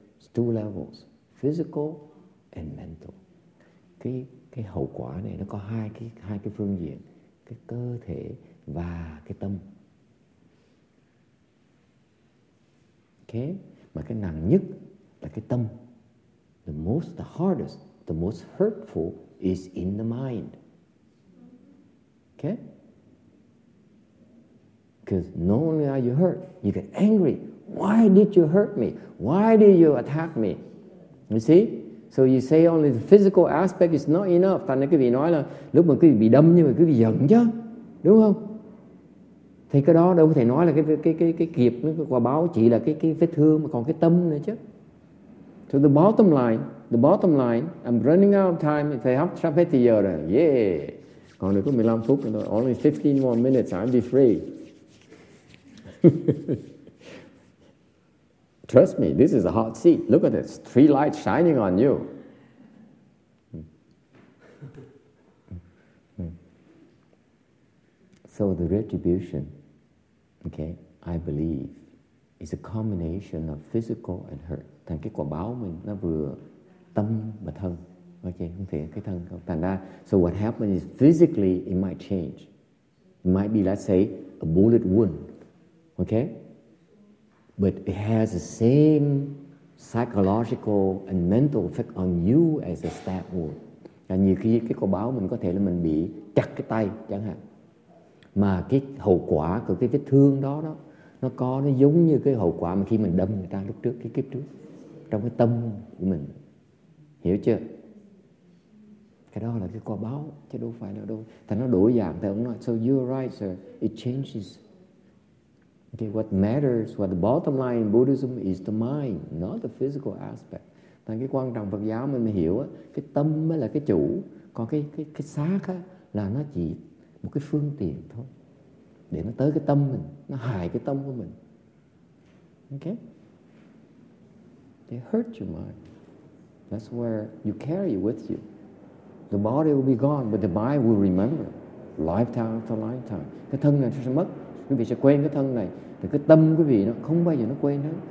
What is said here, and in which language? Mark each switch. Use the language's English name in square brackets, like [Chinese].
[English] It's two levels, physical and mental. [Vietnamese] Cái hậu quả này nó có hai cái phương diện, cái cơ thể và cái tâm. Okay, mà cái nặng nhất là cái tâm. [English] The most, the hardest, the most hurtful is in the mind. Okay? Because not only are you hurt, you get angry. Why did you hurt me? Why did you attack me? You see? So you say only the physical aspect is not enough. [Vietnamese] Thành ra quý vị nói là lúc mà quý vị bị đâm nhưng mà quý vị giận chứ. Đúng không? Thì cái đó đâu có thể nói là cái kịp, cái quả báo chỉ là cái vết thương, mà còn cái tâm nữa chứ. [English] So the bottom line, I'm running out of time. If I have [Vietnamese] sắp hết thì giờ rồi. [English] Yeah. [Vietnamese] Còn được có 15 phút thôi. [English] Only 15 more minutes, I'll be free. Trust me, this is a hot seat. Look at this. Three lights shining on you. So the retribution, okay, I believe, is a combination of physical and hurt. [Vietnamese] Thành cái quả báo mình nó vừa tâm và thân. Ok, không thể cái thân không. Thành ra, [English] so what happens is physically it might change. It might be, let's say, a bullet wound. Ok? But it has the same psychological and mental effect on you as a stab wound. [Vietnamese] Và nhiều khi cái câu báo mình có thể là mình bị chặt cái tay chẳng hạn. Mà cái hậu quả của cái vết thương đó đó, nó có nó giống như cái hậu quả mà khi mình đâm người ta lúc trước, cái kiếp trước, trong cái tâm của mình. Hiểu chưa? Cái đó là cái quả báo, chứ đâu phải là đâu. Thành nó đổi dạng, thì ông nói, [English] so you're right, sir, it changes. Okay, what matters, what the bottom line in Buddhism is the mind, not the physical aspect. [Vietnamese] Thành cái quan trọng Phật giáo mình hiểu, cái tâm mới là cái chủ, còn cái xác là nó chỉ một cái phương tiện thôi. Để nó tới cái tâm mình, nó hại cái tâm của mình. [English] Okay? They hurt your mind. That's where you carry it with you. The body will be gone, but the mind will remember. Lifetime after lifetime. [Vietnamese] Cái thân này sẽ mất, quý vị sẽ quên cái thân này. Thì cái tâm quý vị nó không bao giờ nó quên hết.